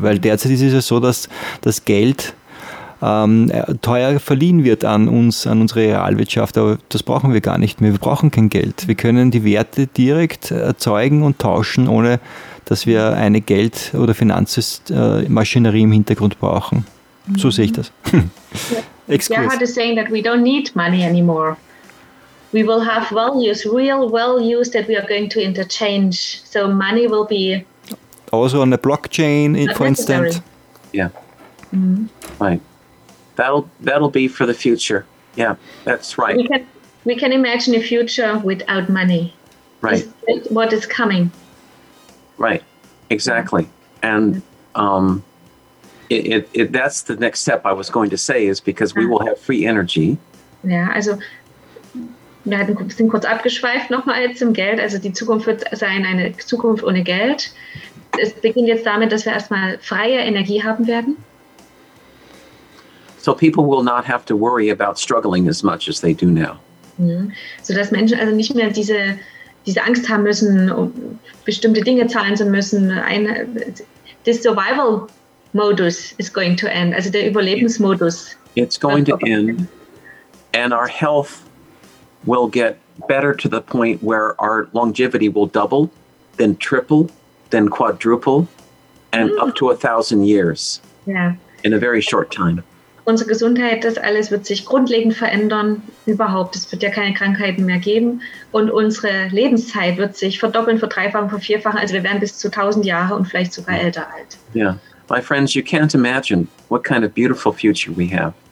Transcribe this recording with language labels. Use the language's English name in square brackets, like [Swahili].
[German] Weil derzeit ist es ja so, dass das Geld teuer verliehen wird an uns, an unsere Realwirtschaft, aber das brauchen wir gar nicht mehr. Wir brauchen kein Geld. Wir können die Werte direkt erzeugen und tauschen, ohne dass wir eine Geld- oder Finanzmaschinerie im Hintergrund brauchen. So sehe ich das. [English] Gerhard is saying that we don't need money anymore. We will have values, real values that we are going to interchange. So money will be also on the blockchain, for instance. Yeah. Mm-hmm. Right. That'll be for the future. Yeah, that's right. We can imagine a future without money. Right. Is what is coming. Right. Exactly. And It that's the next step I was going to say, is because we will have free energy. [German] Ja, also wir sind kurz abgeschweift nochmal jetzt zum Geld. Also die Zukunft wird sein eine Zukunft ohne Geld. Es beginnt jetzt damit, dass wir erstmal freie Energie haben werden. [English] So people will not have to worry about struggling as much as they do now. [German] Ja, so dass Menschen also nicht mehr diese Angst haben müssen, um bestimmte Dinge zahlen zu müssen. Das Survival Modus [English] is going to end. [German] Also der Überlebensmodus. [English] It's going to end, and our health will get better to the point where our longevity will double, then triple, then quadruple, and up to 1,000 years. Yeah. In a very short time. [German] Unsere Gesundheit, das alles wird sich grundlegend verändern. Überhaupt, es wird ja keine Krankheiten mehr geben, und unsere Lebenszeit wird sich verdoppeln, verdreifachen, vervierfachen. Also wir werden bis zu 1,000 Jahre und vielleicht sogar älter alt. [English] Yeah. My friends, you can't imagine what kind of beautiful future we have.